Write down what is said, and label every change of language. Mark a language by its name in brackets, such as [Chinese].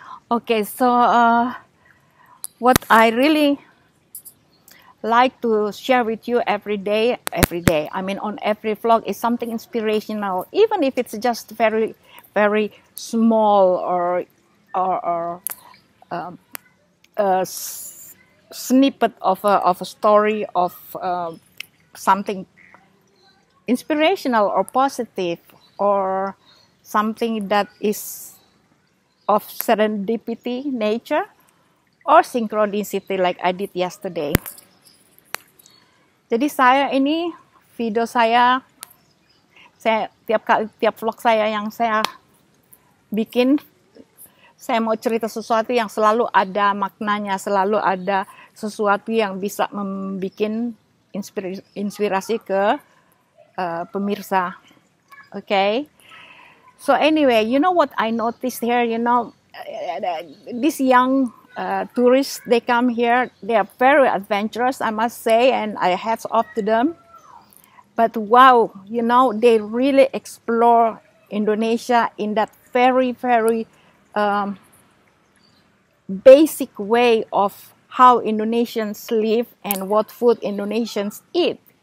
[English] Okay, so what I really like to share with you every day, I mean on every vlog, is something inspirational, even if it's just very, very small or a snippet of a story of something inspirational or positive or something that is of serendipity nature or synchronicity like I did yesterday. [Indonesian] Jadi saya ini video saya tiap vlog saya yang saya bikin, saya mau cerita sesuatu yang selalu ada maknanya, selalu ada sesuatu yang bisa membikin inspirasi ke pemirsa. [English] Okay. So anyway, you know what I noticed here, you know, this young tourists, they come here, they are very adventurous, I must say, and I hats off to them. But wow, you know, they really explore Indonesia in that very, very basic way of how Indonesians live and what food Indonesians eat.